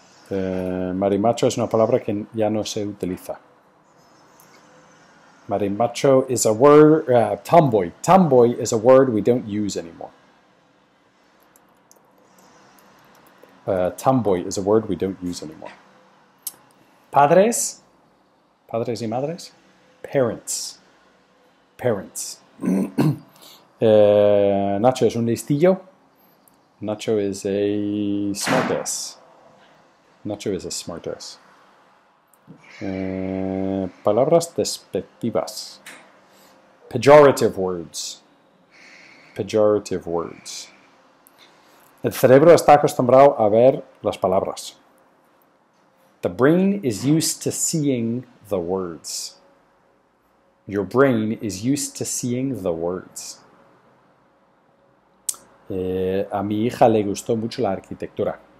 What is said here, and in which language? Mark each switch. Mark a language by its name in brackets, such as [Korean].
[Spanish] Marimacho es una palabra que ya no se utiliza. [English] Marimacho is a word, tomboy. Tomboy is a word we don't use anymore. Tomboy is a word we don't use anymore. [Spanish] Padres, padres y madres, [English] parents, parents. [Spanish] Nacho es un listillo. [English] Nacho is a smart ass. Nacho is a smart ass. [Spanish] Palabras despectivas. [English] Pejorative words. Pejorative words. [Spanish] El cerebro está acostumbrado a ver las palabras. [English] The brain is used to seeing the words. Your brain is used to seeing the words. [Spanish] A mi hija le gustó mucho la arquitectura.